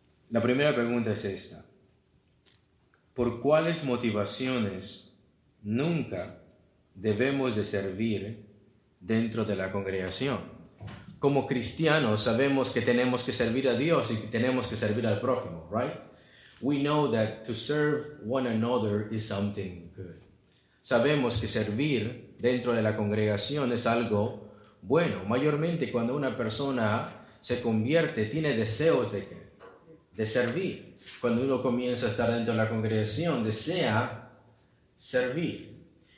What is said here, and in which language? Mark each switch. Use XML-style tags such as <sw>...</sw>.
<es>La primera pregunta es esta. ¿Por cuáles motivaciones nunca debemos de servir dentro de la congregación? Como cristianos sabemos que tenemos que servir a Dios y que tenemos que servir al prójimo,</es> <en>right? We know that to serve one another is something good.</en> <es>Sabemos que servir dentro de la congregación es algo bueno. Mayormente cuando una persona se convierte, tiene deseos de ¿qué? De servir. Cuando uno comienza a estar dentro de la congregación, desea servir.</es>